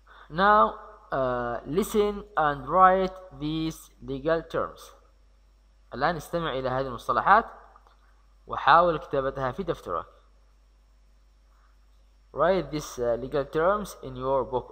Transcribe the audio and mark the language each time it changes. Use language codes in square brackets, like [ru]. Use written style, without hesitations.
[en] Now listen and write these legal terms. [ar] الآن استمع إلى هذه المصطلحات وحاول كتابتها في دفترك. [en] Write these legal terms in your book.